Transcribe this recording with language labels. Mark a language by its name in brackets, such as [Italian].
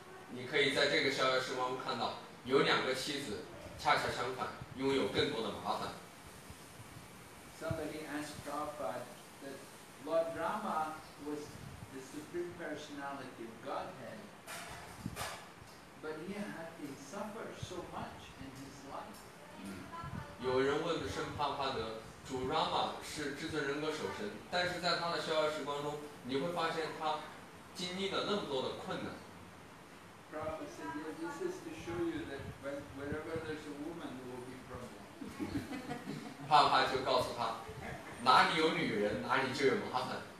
[Chinese] 你可以在这个逍遥时光看到，有两个妻子恰恰相反，拥有更多的麻烦。 [English] Somebody asked Prabhupada that Lord Rama was the supreme personality of Godhead, but he had been suffered so much in his life. [Chinese] 有人问圣帕帕德，主 Rama 是至尊人格首神，但是在他的逍遥时光中，你会发现他经历了那么多的困难。 [English] Prabhupada said, "Yeah, this is to show you that wherever there's a woman, there will be problems." [Chinese] 帕帕就告诉他，哪里有女人，哪里就有麻烦。